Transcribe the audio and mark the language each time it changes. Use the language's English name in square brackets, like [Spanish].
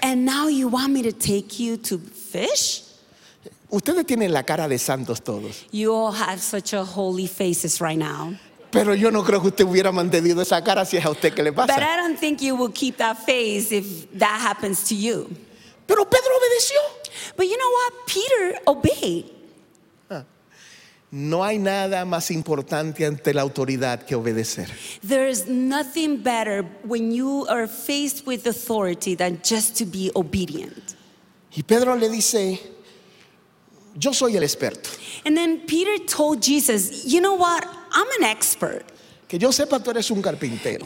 [English] And now you want me to take you to fish? [Spanish] Ustedes tienen la cara de santos todos. [English] You all have such a holy faces right now. [Spanish] Pero yo no creo que usted hubiera mantenido esa cara si es a usted que le pasa. [English] But I don't think you will keep that face if that happens to you. [Spanish] Pero Pedro obedeció. [English] But you know what? Peter obeyed. [Spanish] No hay nada más importante ante la autoridad que obedecer. [English] There is nothing better when you are faced with authority than just to be obedient. [Spanish] Y Pedro le dice, yo soy el experto. [English] And then Peter told Jesus, you know what? I'm an expert. [Spanish] Que yo sepa tú eres un carpintero.